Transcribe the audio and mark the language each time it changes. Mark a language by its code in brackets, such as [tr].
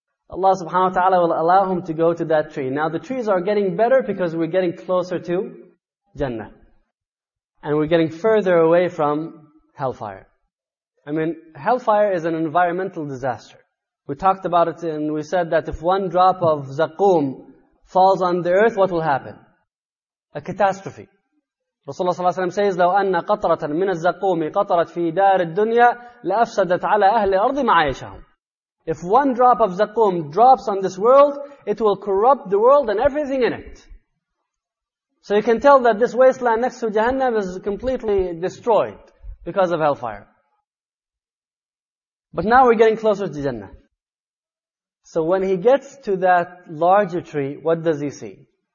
[en] Allah subhanahu wa ta'ala will allow him to go to that tree. Now the trees are getting better because we're getting closer to Jannah. And we're getting further away from hellfire. I mean, hellfire is an environmental disaster. We talked about it and we said that if one drop of zaqoom falls on the earth, what will happen? A catastrophe. Rasulullah sallallahu alayhi wa sallam says, [ar] لَوْ أَنَّ قَطْرَةً مِنَ الزَّقُومِ قَطَرَتْ فِي دَارِ الدُّنْيَا لَأَفْسَدَتْ عَلَىٰ أَهْلِ أَرْضِ مَعَيْشَهُمْ. [en] If one drop of zaqoom drops on this world, it will corrupt the world and everything in it. So you can tell that this wasteland next to Jahannam is completely destroyed because of hellfire. But now we're getting closer to Jannah. So when he gets to that larger tree, what does he see?